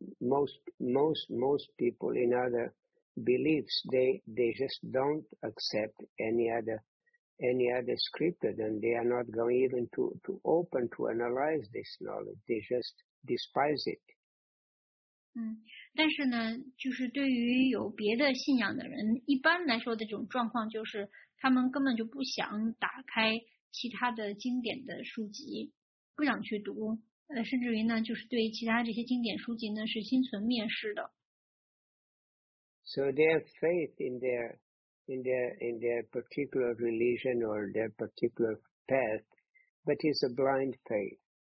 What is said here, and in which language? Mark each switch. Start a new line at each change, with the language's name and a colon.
English: most people in other beliefs, they just don't accept any other scripture, then they are not going even to open to analyze this knowledge. They just despise it.
Chinese: 但是呢，就是对于有别的信仰的人，一般来说的这种状况就是，他们根本就不想打开其他的经典的书籍，不想去读，甚至于呢，就是对其他这些经典书籍呢是心存蔑视的。So
English: their faith in their particular religion or their particular path, but it's a blind faith.